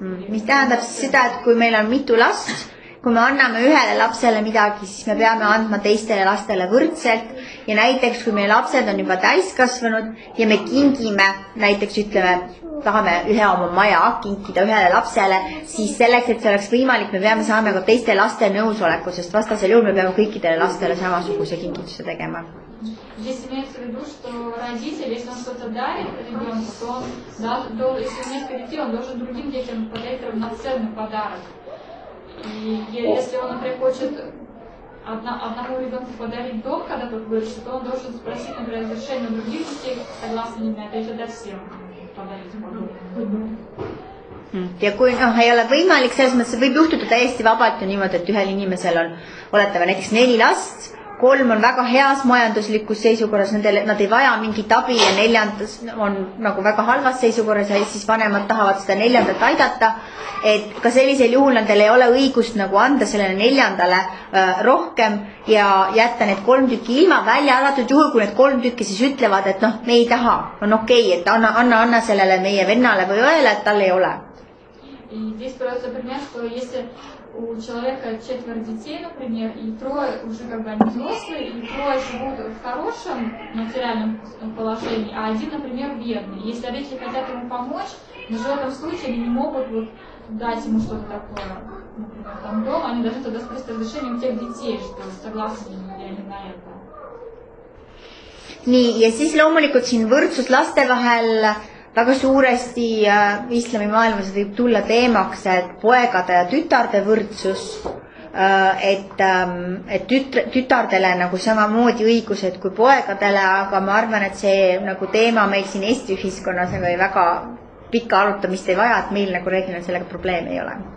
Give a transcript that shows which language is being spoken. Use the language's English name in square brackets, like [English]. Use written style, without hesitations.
[Estonian] Mis tähendab siis seda, et kui meil on mitu last, kui me anname ühele lapsele midagi, siis me peame andma teistele lastele võrdselt ja näiteks kui meie lapsed on juba täiskasvanud ja me kingime, näiteks ütleme, tahame ühe oma maja kinkida ühele lapsele, siis selleks, et see oleks võimalik, me peame saama ka teiste laste nõusoleku, sest vastasel juhul me peame kõikidele lastele samasuguse kingituse tegema. [Russian] Здесь имеется в виду, что родитель, если он что-то дарит ребенку, то он, да, то, если у него детей, он должен другим детям подарить равноценный подарок. И если он, например, хочет одному ребенку подарить дом, когда тот вырастет, то он должен спросить, например, разрешение у других детей, согласно ними, опять же, дать всем подарить подарок. [Estonian] Ja kui no, ei ole võimalik, selles mõttes võib juhtuda täiesti vabalt ja niimoodi, et ühel inimesel on, oletame näiteks neli last, kolm on väga heas majanduslikus seisukorras, nad ei vaja mingit abi ja neljandas on nagu väga halvas seisukorras ja siis vanemad tahavad seda neljandat aidata, et ka sellisel juhul nendel ei ole õigust nagu anda sellele neljandale rohkem ja jätta need kolm tükki ilma välja alatud juhul, kui need kolm tükki siis ütlevad, et noh, me ei taha, on okei, et anna sellele meie vennale või öele, et tal ei ole. [Russian] И здесь просто пример, что если у человека четверо детей, например, и трое уже как бы они взрослые, и трое живут в хорошем материальном положении, а один, например, бедный. Если родители хотят ему помочь, но в этом случае они не могут вот дать ему что-то такое, например, там дом, они должны тогда спросить разрешение у тех детей, что согласны ли они на это. Не, я здесь [Estonian] loomulikult siin võrdsus laste vahel. Väga suuresti islami maailmas võib tulla teemaks, et poegade ja tütarde võrdsus, et tütardele nagu samamoodi õigused kui poegadele, aga ma arvan, et see nagu teema meil siin Eesti ühiskonnas on väga pikka arutamist ei vaja, et meil nagu reeglina sellega probleeme ei ole.